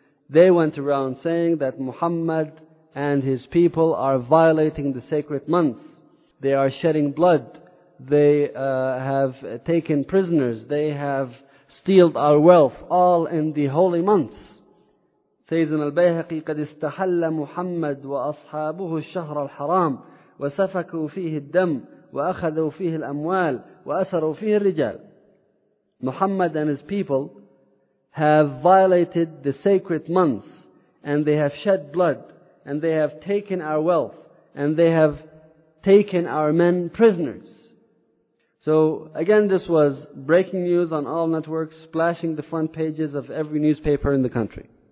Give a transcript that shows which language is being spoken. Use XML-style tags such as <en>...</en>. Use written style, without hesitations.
<en>They went around saying that Muhammad and his people are violating the sacred month. They are shedding blood. They have taken prisoners. They have stealed our wealth, all in the holy months.</en> <ar>Sayyidina al-Bayhaqi, قَدْ اسْتَحَلَّ مُحَمَّدُ وَأَصْحَابُهُ الشَّهْرَ الْحَرَامِ وَسَفَكُوا فِيهِ الدَّمِ وَأَخَذُوا فِيهِ الْأَمْوَالِ وَأَسَرُوا فِيهِ الرِّجَالِ.</ar> <en>Muhammad and his people have violated the sacred months and they have shed blood and they have taken our wealth and they have taken our men prisoners. So again, this was breaking news on all networks, splashing the front pages of every newspaper in the country.</en>